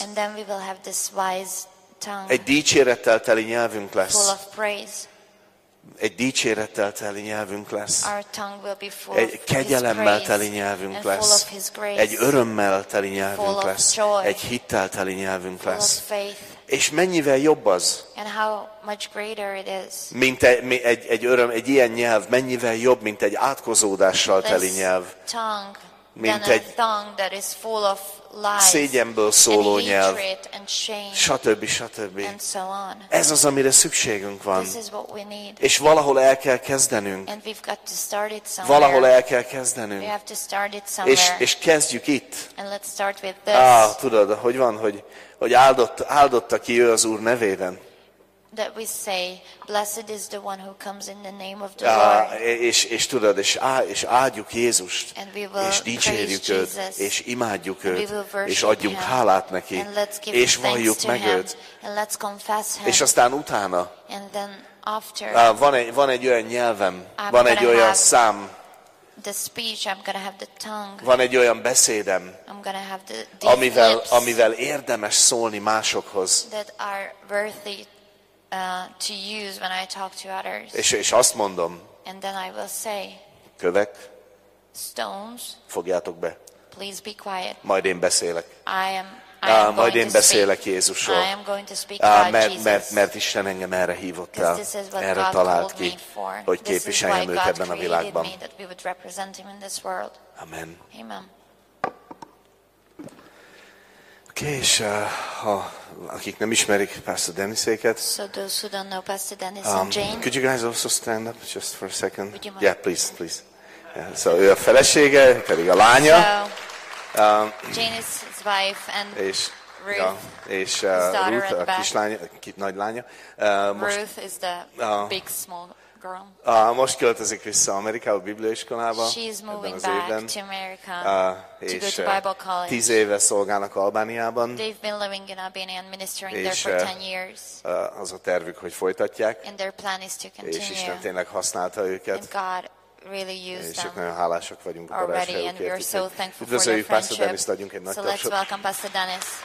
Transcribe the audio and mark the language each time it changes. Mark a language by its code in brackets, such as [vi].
[en] And then we will have this wise tongue. [hu] Egy dicsérettel teli nyelvünk lesz. [en] Full of praise. [hu] Egy dicsérettel teli nyelvünk lesz. [en] Our tongue will be full [hu] egy kegyelemmel teli nyelvünk lesz. [en] And full of his grace. [hu] Egy örömmel teli nyelvünk [en] full [hu] lesz. [en] Of joy. [hu] Egy hittel teli nyelvünk [en] full [hu] lesz. [en] Of faith. [hu] És mennyivel jobb az? [en] And how much greater it is. [hu] Mint egy öröm, egy ilyen nyelv, mennyivel jobb, mint egy átkozódással teli nyelv. Mint [en] egy tongue that is full of lies, [hu] szégyenből szóló [en] and [hu] nyelv, [en] and shame, [hu] stb. [en] And so on. [hu] Ez az, amire szükségünk van. [en] This is what we need. [hu] És valahol el kell kezdenünk. [en] And we've got to start it somewhere. [hu] Valahol el kell kezdenünk. [en] We have to start it somewhere. [hu] És kezdjük itt. [en] And let's start with this. Ah, [hu] tudod, hogy van, hogy áldotta ki ő az Úr nevében. [en] That we say, blessed is the one who comes in the name of the Lord. [hu] És tudod, és áldjuk Jézust, [en] and we will [hu] és dicsérjük őt, [en] Jesus, [hu] és imádjuk őt, [en] and we will worship [hu] és adjunk [en] him, [hu] hálát neki, [en] and let's give [hu] és valljuk [en] to [hu] meg [en] him, [hu] őt, [en] and let's confess him, [hu] és aztán utána [en] and then after, [hu] van egy olyan nyelvem, van egy olyan szám, [en] the speech, I'm gonna have the tongue, [hu] van egy olyan beszédem, [en] I'm gonna have the [hu] amivel érdemes szólni másokhoz, [en] that are worthy to use when I talk to others. [hu] És azt mondom. [en] And then I will say. [hu] Kövek. [en] Stones. [hu] Fogjátok be. [en] Please be quiet. [hu] Majd én beszélek. Majd én beszélek Jézusról. [en] I am going to speak about [hu] mert Isten engem erre hívott el. Erre talált ki, hogy képviseljem őt ebben a világban. [en] Me, that we would represent him in this world. Amen. Amen. [hu] Okay, és akik nem ismerik Pastor Denis-éket. [en] So those who don't know Pastor Denis and Jane. Could you guys also stand up just for a second? Would you mind? Yeah, please. Yeah, so [hu] ő a felesége, pedig a lánya. [en] So, Jane is his wife and Ruth. Ja, [hu] és Ruth a kislánya, nagy lánya. [en] Ruth is the big small girl. [hu] Most költözik vissza Amerikába, a Bibliaiskolába. [en] She is moving back [hu] évben. [en] To America. [hu] És [en] to go to Bible college. [hu] 10 éve szolgálnak Albániában. [en] They've been living in Albania and ministering there for 10 years. [hu] Az a tervük, hogy folytatják. [en] And their plan is to continue. [hu] És Isten tényleg használta őket. [en] And God really used [hu] és [en] them. [hu] És nagyon hálásak vagyunk a barátságukért. Üdvözöljük Pastor Denis-t, adjunk egy nagy tapsot. [en] So let's welcome Pastor Denis.